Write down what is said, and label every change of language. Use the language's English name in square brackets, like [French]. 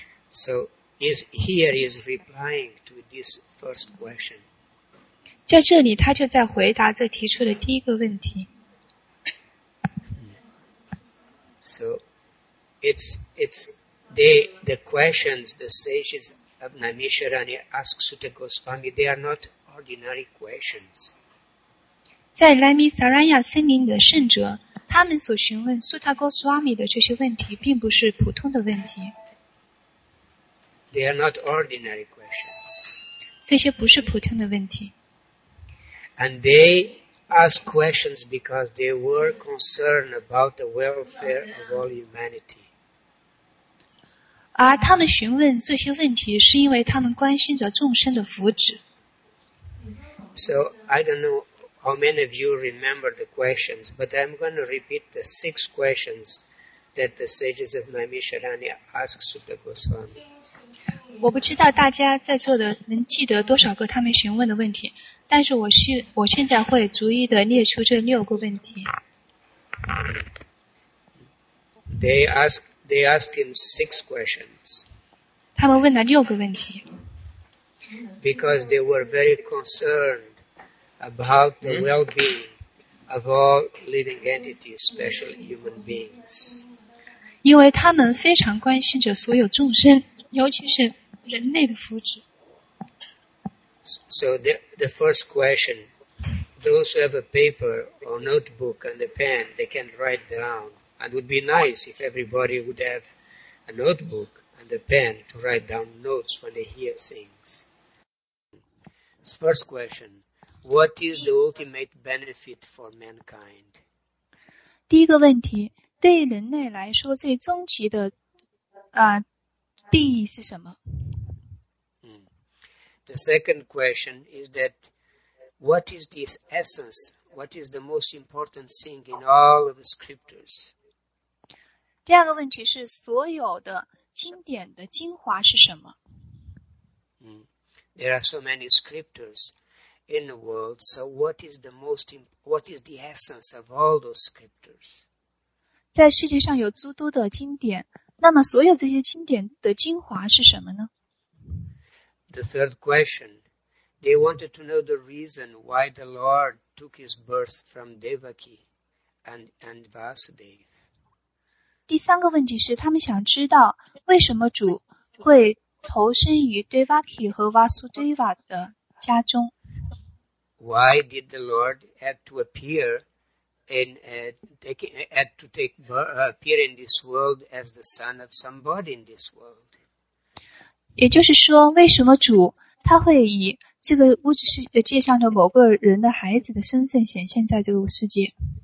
[English] So, he is replying to this first question. [Chinese] 在这里他就在回答这提出的第一个问题。 [English] So, the questions the sages of Naimisharanya ask Sutta Goswami, they are not ordinary questions. [Chinese] 在 Naimisharanya 森林的圣者，他们所询问 Sutta Goswami 的这些问题并不是普通的问题。 [English] They are not ordinary questions. [Chinese] 这些不是普通的问题。 [English] And they ask questions because they were concerned about the welfare of all humanity. [Chinese] 而他们询问这些问题是因为他们关心着众生的福祉。 [English] So, I don't know how many of you remember the questions, but I'm going to repeat the six questions that the sages of Naimisharanya asked Sutta Goswami. [Chinese] 我不知道大家在座的能记得多少个他们询问的问题，但是我现在会逐一的列出这六个问题。 [English] They asked him six questions. [Chinese] 他们问了六个问题。 [English] Because they were very concerned about the well-being of all living entities, especially human beings. [Chinese] 因为他们非常关心着所有众生，尤其是人类的福祉。 [English] So the first question, those who have a paper or notebook and a pen, they can write down. And it would be nice if everybody would have a notebook and a pen to write down notes when they hear things. First question, what is the ultimate benefit for mankind? [Chinese] 第一个问题，对于人类来说最终极的利益是什么？ [English] The second question is that what is this essence? What is the most important thing in all of the scriptures? [Chinese] 第二个问题是所有的经典的精华是什么？ [English] There are so many scriptures in the world, so what is the essence of all those scriptures? [Chinese] 在世界上有诸多的经典，那么所有这些经典的精华是什么呢？ [English] The third question, they wanted to know the reason why the Lord took his birth from Devaki and Vasudeva. [Chinese] 第三个问题是他们想知道为什么主会投身于 Devaki 和 Vasudeva 的家中。 [English] Why did the Lord have to appear in, appear in this world as the son of somebody in this world? [Chinese] 也就是说为什么主他会以这个物质世界上的某个人的孩子的身份显现在这个世界。